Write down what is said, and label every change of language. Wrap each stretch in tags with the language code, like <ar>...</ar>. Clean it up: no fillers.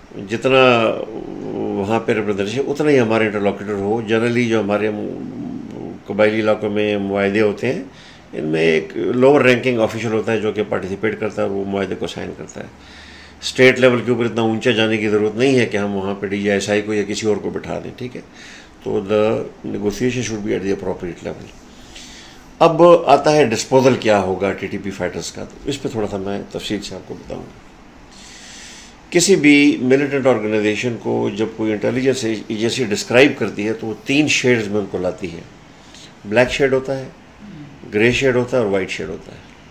<ur>جتنا وہاں پہ ریپرزنٹیشن اتنا ہی ہمارے انٹرلوکیٹر ہو. جنرلی جو ہمارے قبائلی علاقوں میں معاہدے ہوتے ہیں, ان میں ایک لوور رینکنگ آفیشیل ہوتا ہے جو کہ پارٹیسپیٹ کرتا ہے, وہ معاہدے کو سائن کرتا ہے. اسٹیٹ لیول کے اوپر اتنا اونچا جانے کی ضرورت نہیں ہے کہ ہم وہاں پہ ڈی جی ایس آئی کو یا کسی اور کو بٹھا دیں, ٹھیک ہے.</ur> <en>تو the negotiation should be at the appropriate level.</en> <ur>اب آتا ہے ڈسپوزل کیا ہوگا ٹی ٹی پی فائٹرس کا, تو اس پہ تھوڑا سا میں تفصیل سے آپ کو بتاؤں. کسی بھی ملیٹنٹ آرگنائزیشن کو جب کوئی انٹیلیجنس ایجنسی ڈسکرائب کرتی ہے تو وہ تین شیڈز میں ان کو لاتی ہے. بلیک شیڈ ہوتا ہے, گرے شیڈ ہوتا ہے اور وائٹ شیڈ ہوتا ہے.</ur>